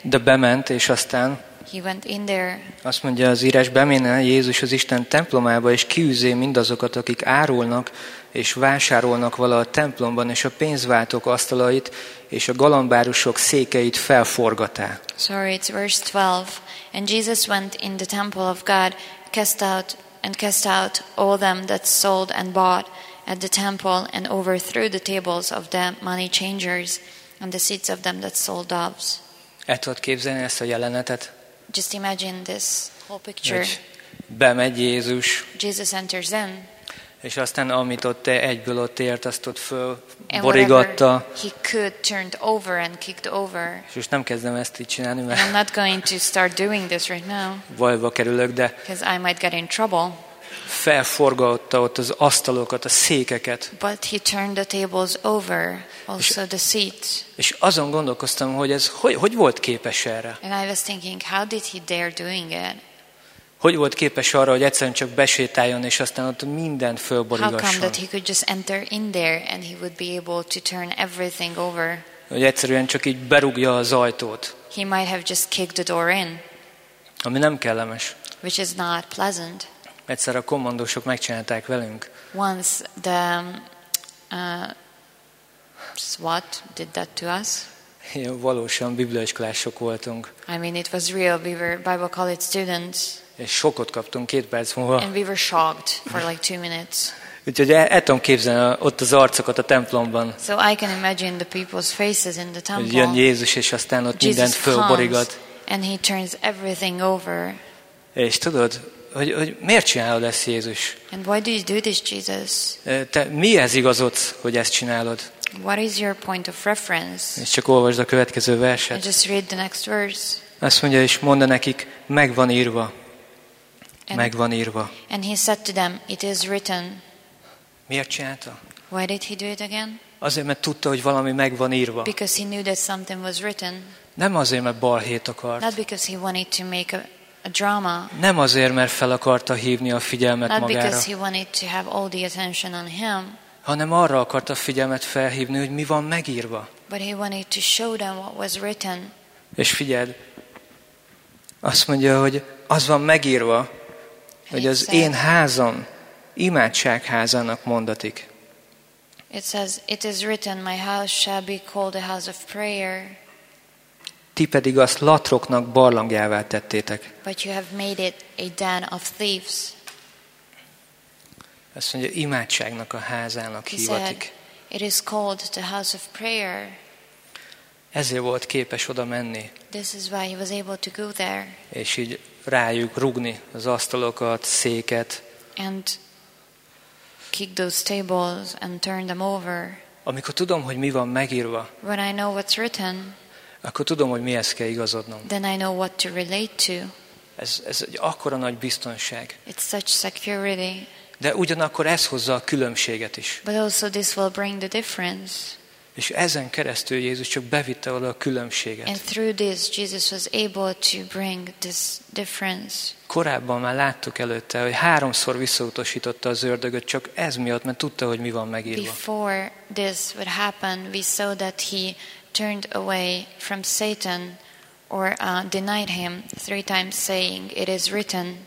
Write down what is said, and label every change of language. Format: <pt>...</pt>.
<hu>De bement, és aztán</hu> <en>he went in there.</en> <hu>Azt mondja az írás, bemenne Jézus az Isten templomába, és kiűzé mindazokat, akik árulnak és vásárolnak vala a templomban, és a pénzváltók asztalait és a galambárusok székeit felforgatá.</hu> <en>Sorry, it's verse 12. And Jesus went in the temple of God, cast out all them that sold and bought at the temple, and overthrew the tables of the money changers and the seats of them that sold doves.</en> <hu>El tudod képzelni ezt a jelenetet?</hu> <en>Just imagine this whole picture.</en> <hu>Bemegy Jézus.</hu> <en>Jesus enters in.</en> <hu>És aztán amit ott egyből ott ért, azt ott föl borigatta.</hu> <en>He could turned over and kicked over.</en> <hu>És nem kezdem ezt így csinálni, mert</hu> <en>I'm not going to start doing this right now.</en> <hu>Bajba kerülök, de</hu> <en>because I might get in trouble.</en> <hu>Felforgatta ott az asztalokat, a székeket.</hu> <en>But he turned the tables over, also the seats.</en> <hu>És azon gondolkoztam, hogy ez hogy volt képes erre.</hu> <en>And I was thinking, how did he dare doing it?</en> <hu>Hogy volt képes arra, hogy egyszerűen csak besétáljon, és aztán ott mindent fölborigasson?</hu> <en>How come that he could just enter in there and he would be able to turn everything over?</en> <hu>Hogy egyszerűen csak így berúgja az ajtót.</hu> <en>He might have just kicked the door in.</en> <hu>Ami nem kellemes.</hu> <en>Which is not pleasant.</en> <hu>Egyszer a kommandósok megcsinálták velünk.</hu> <en>Once the SWAT did that to us.</en> <hu>Ja, valósan bibliaiskolások voltunk.</hu> <en>I mean, it was real. We were Bible college students.</en> <hu>És sokkot kaptunk két perc múlva.</hu> <en>And we were shocked for like 2 minutes.</en> <hu>Úgyhogy el tudom képzelni ott az arcokat a templomban.</hu> <en>So I can imagine the people's faces in the temple.</en> <hu>Jön Jézus, és aztán ott</hu> <en>Jesus</en> <hu>mindent fölborigat.</hu> <en>And he turns everything over.</en> <hu>És tudod, hogy miért csinálod ezt, Jézus?</hu> <en>And why do you do this, Jesus?</en> <hu>Te mihez igazodsz, hogy ezt csinálod?</hu> <en>What is your point of reference?</en> <hu>És csak olvasd a következő verset.</hu> <en>And just read the next verse.</en> <hu>Azt mondja, és mondja nekik, megvan írva. Megvan írva.</hu> <en>And he said to them, it is written.</en> <hu>Miért csinálta?</hu> <en>Why did he do it again?</en> <hu>Azért, mert tudta, hogy valami megvan írva.</hu> <en>Because he knew that something was written.</en> <hu>Nem azért, mert balhét akart.</hu> <en>Not because he wanted to make a drama.</en> <hu>Nem azért, mert fel akarta hívni a figyelmet</hu> <en>Not</en> <hu>magára.</hu> <en>Not because he wanted to have all the attention on him.</en> <hu>Hanem arra akarta a figyelmet felhívni, hogy mi van megírva.</hu> <en>But he wanted to show them what was written.</en> <hu>És figyeld, azt mondja, hogy az van megírva, hogy az én házam imádságházának mondatik.</hu> <en>It says, it is written, my house shall be called a house of prayer.</en> <hu>Ti pedig azt latroknak barlangjává tettétek.</hu> <en>But you have made it a den of thieves.</en> <hu>Azt mondja, imádságnak a házának</hu> <en>He</en> <hu>hivatik.</hu> <en>Said, it is called the house of prayer.</en> <hu>Ezért volt képes oda menni.</hu> <en>This is why he was able to go there.</en> <hu>És így rájuk rugni az asztalokat, széket.</hu> <en>And kick those tables and turn them over.</en> <hu>Amikor tudom, hogy mi van megírva,</hu> <en>when I know what's written,</en> <hu>akkor tudom, hogy mihez kell igazodnom.</hu> <en>Then I know what to relate to.</en> <hu>Ez egy akkora nagy biztonság.</hu> <en>It's such security.</en> <hu>De ugyanakkor ez hozza a különbséget is.</hu> <en>But also this will bring the difference.</en> <hu>És ezen keresztül Jézus csak bevitte oda a különbséget.</hu> <en>And through this Jesus was able to bring this difference.</en> <hu>Korábban már láttuk előtte, hogy háromszor visszautasította az ördögöt, csak ez miatt, mert tudta, hogy mi van megírva.</hu> <en>Before this would happen, we saw that he turned away from Satan or denied him 3 times, saying, "It is written."</en>